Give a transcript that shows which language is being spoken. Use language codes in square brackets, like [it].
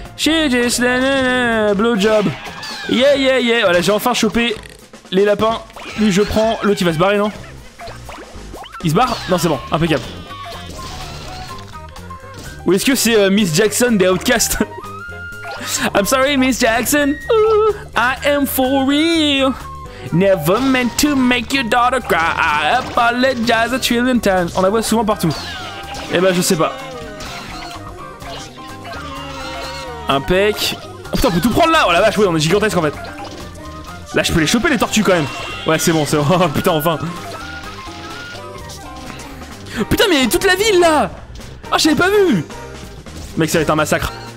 [en] She just na-na-na, blowjob. Yeah, yeah, yeah. [fr] Voilà, j'ai enfin chopé les lapins. Lui, je prends. L'autre, il va se barrer, non? Il se barre? Non, c'est bon. Impeccable. Ou est-ce que c'est Miss Jackson des Outcasts? [en] I'm sorry, Miss Jackson. Ooh, I am for real. Never meant to make your daughter cry. I apologize a trillion times. [fr] On la voit souvent partout. Eh ben, je sais pas. Impec. Oh putain, on peut tout prendre là. Oh la vache, oui, on est gigantesque en fait. Là, je peux les choper les tortues quand même. Ouais, c'est bon, c'est bon. Putain, enfin. Putain, mais il y a toute la ville là. Ah, oh, j'avais pas vu. Mec, ça va être un massacre.